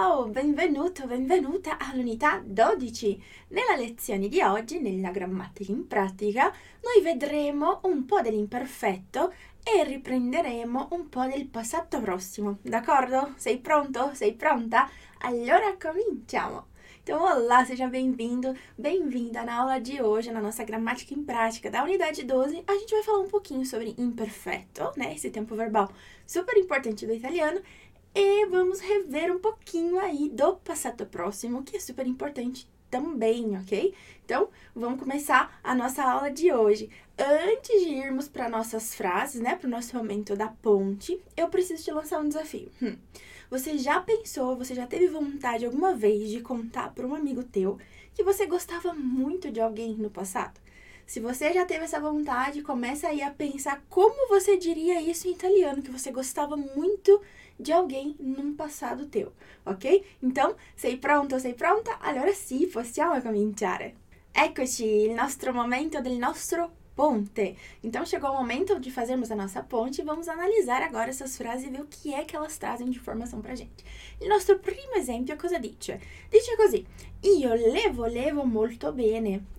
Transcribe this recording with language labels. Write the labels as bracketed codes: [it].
[it] Benvenuto, benvenuta all'unità 12. Nella lezione di oggi, nella grammatica in pratica, noi vedremo un po' dell'imperfetto e riprenderemo un po' del passato prossimo. D'accordo? Sei pronto? Sei pronta? Allora cominciamo! [pt] Então, olá, seja bem-vindo, bem-vinda na aula de hoje, na nossa gramática em prática da unidade 12. A gente vai falar um pouquinho sobre imperfetto, né? Esse tempo verbal super importante do italiano. E vamos rever um pouquinho aí do passato próximo, que é super importante também, ok? Então, vamos começar a nossa aula de hoje. Antes de irmos para nossas frases, né, para o nosso momento da ponte, eu preciso te lançar um desafio. Você já pensou, você já teve vontade alguma vez de contar para um amigo teu que você gostava muito de alguém no passado? Se você já teve essa vontade, começa aí a pensar como você diria isso em italiano, que você gostava muito de alguém num passado teu, ok? Então, [it] sei pronto, sei pronta? Allora sì, possiamo cominciare. Eccoci, il nostro momento del nostro ponte. [pt] Então, chegou o momento de fazermos a nossa ponte e vamos analisar agora essas frases e ver o que é que elas trazem de informação pra gente. [it] Il nostro primo esempio cosa dice? Dice così: Io le volevo molto bene.